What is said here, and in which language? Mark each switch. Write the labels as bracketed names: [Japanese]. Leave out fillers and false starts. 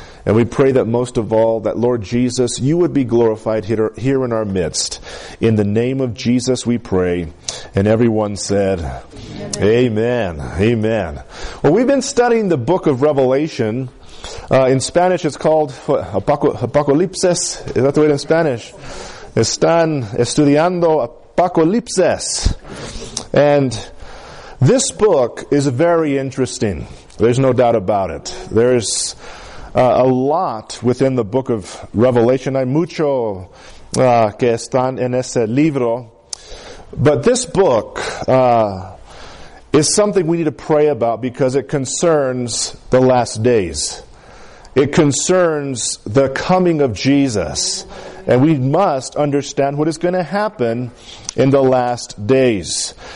[English] And we pray that most of all, that Lord Jesus, You would be glorified here in our midst. In the name of Jesus, we pray. And everyone said, amen. Amen. Amen. Well, we've been studying the book of Revelation. In Spanish, it's called Apocalipsis. Is that the word in Spanish? [Spanish] Están estudiando Apocalipsis. [English] And this book is very interesting. There's no doubt about it. There's a lot within the book of Revelation. [Spanish] Hay mucho que están en ese libro. [English] But this book is something we need to pray about because it concerns the last days. It concerns the coming of Jesus. And we must understand what is going to happen in the last days.